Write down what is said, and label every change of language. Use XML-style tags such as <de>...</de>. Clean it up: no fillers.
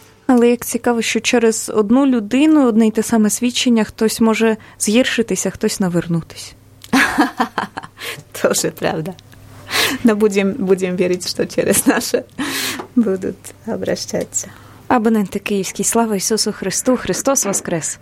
<uk>Але як цікаво, що через одну людину, одне й те саме свідчення, хтось може згіршитися, хтось навернутися.</uk> <ru>Тоже правда. Но будем верить, что через наше будут обращаться.</ru> <uk>Абоненти київські, слава Ісусу Христу, Христос воскрес!</uk>